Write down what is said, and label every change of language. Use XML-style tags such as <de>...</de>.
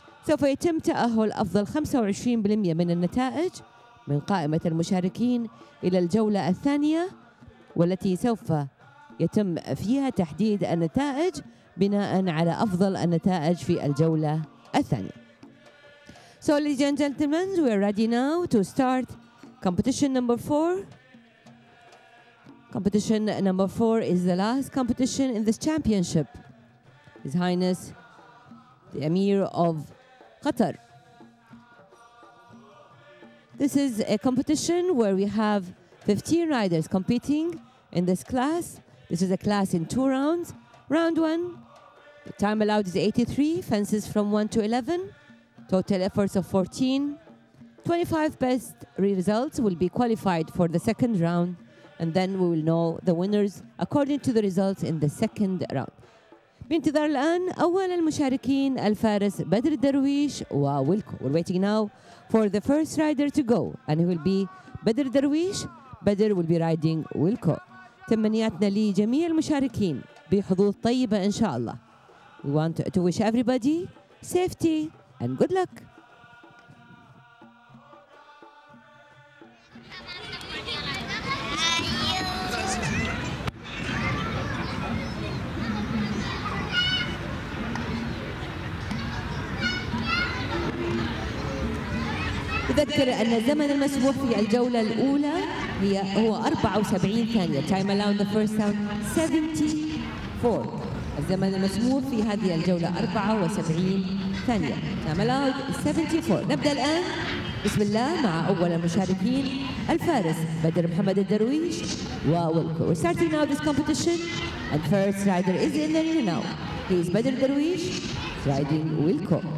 <ar>سوف يتم تأهل أفضل 25% من النتائج من قائمة المشاركين إلى الجولة الثانية، والتي سوف يتم فيها تحديد النتائج بناء على أفضل النتائج في الجولة الثانية.</ar> <en>So ladies and gentlemen, we are ready now to start competition number 4. Competition number 4 is the last competition in this championship. His Highness the Emir of Qatar. This is a competition where we have 15 riders competing in this class. This is a class in 2 rounds. Round 1, the time allowed is 83, fences from 1 to 11, total efforts of 14. 25 best results will be qualified for the second round, and then we will know the winners according to the results in the second round.</en> <ar>بانتظار الآن أول المشاركين الفارس بدر درويش وويلكو.</ar> <en>We're waiting now for the first rider to go, and it will be بدر درويش. بدر will be riding Wilco.</en> <ar>تمنياتنا لجميع المشاركين بحظوظ طيبة إن شاء الله.</ar> <en>We want to wish everybody safety and good luck.</en> <ar>أذكر أن الزمن المسموح في الجولة الأولى هو 74 ثانية.</ar> <en>Time allowed the first round 74.</en> <ar>الزمن المسموح في هذه الجولة 74 ثانية.</ar> <en>Time allowed 74.</en> <ar>نبدأ الآن بسم الله مع أول المشاركين الفارس بدر محمد الدرويش وويلكو.</ar> <en>We're starting now this competition and first rider is in the arena now. He is بدر درويش riding Wilco.</en>